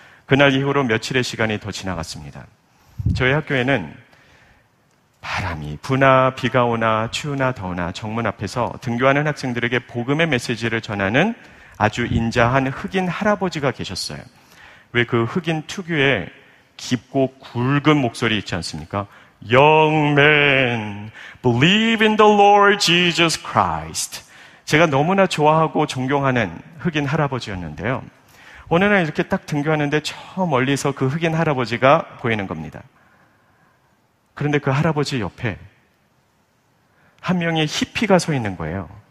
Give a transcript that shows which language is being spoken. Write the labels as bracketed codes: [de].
[ko] 그날 이후로 며칠의 시간이 더 지나갔습니다. 저희 학교에는 바람이 부나 비가 오나 추우나 더우나 정문 앞에서 등교하는 학생들에게 복음의 메시지를 전하는 아주 인자한 흑인 할아버지가 계셨어요. 왜 그 흑인 특유의 깊고 굵은 목소리 있지 않습니까? [en] Young man, believe in the Lord Jesus Christ. [ko] 제가 너무나 좋아하고 존경하는 흑인 할아버지였는데요. 어느 날 이렇게 딱 등교하는데 저 멀리서 그 흑인 할아버지가 보이는 겁니다. 그런데 그 할아버지 옆에 한 명의 히피가 서 있는 거예요.